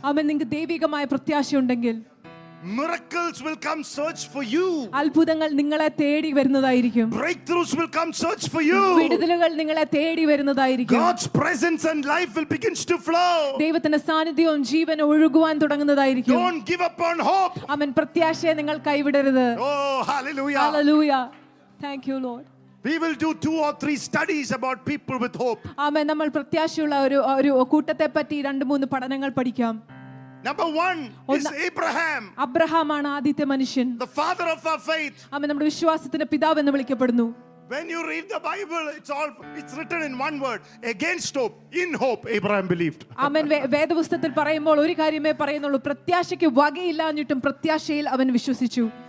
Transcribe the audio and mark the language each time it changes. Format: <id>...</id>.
<ml>അമേ നിങ്ങൾക്ക് ദൈവികമായ പ്രത്യാശയുണ്ടെങ്കിൽ,</ml> <en>miracles will come search for you.</en> <ml>അത്ഭുതങ്ങൾ നിങ്ങളെ തേടി വരുന്നതായിരിക്കും.</ml> <en>Breakthroughs will come search for you.</en> <ml>വിടുതലുകൾ നിങ്ങളെ തേടി വരുന്നതായിരിക്കും.</ml> <en>God's presence and life will begin to flow.</en> <ml>ദൈവത്തിന്റെ സാന്നിധ്യവും ജീവനും ഒഴുകുവാൻ തുടങ്ങുന്നതായിരിക്കും.</ml> <en>Don't give up on hope.</en> <ml>അമേ പ്രത്യാശയെ നിങ്ങൾ കൈവിടരുത്.</ml> <en>Oh hallelujah. Hallelujah. Thank you Lord. We will do 2 or 3 studies about people with hope. Amen.</en> <ml>നമ്മൾ പ്രത്യാശയുള്ള ഒരു കൂട്ടത്തെ പറ്റി 2-3 പഠനങ്ങൾ പഠിക്കാം.</ml> <en>Number 1 is Abraham.</en> <ml>അബ്രഹാം ആണ് ആദ്യത്തെ മനുഷ്യൻ.</ml> <en>The father of our faith.</en> <ml>അവൻ നമ്മുടെ വിശ്വാസത്തിന്റെ പിതാവ് എന്ന് വിളിക്കപ്പെടുന്നു.</ml> <en>When you read the Bible, it's written in one word, against hope, in hope Abraham believed. Amen.</en> <ml>വേദപുസ്തകത്തിൽ പറയുമ്പോൾ ഒരു കാര്യമേ പറയുന്നുള്ളൂ, പ്രത്യാശയ്ക്ക് വകയില്ലാഞ്ഞിട്ടും പ്രത്യാശയിൽ അവൻ വിശ്വസിച്ചു.</ml>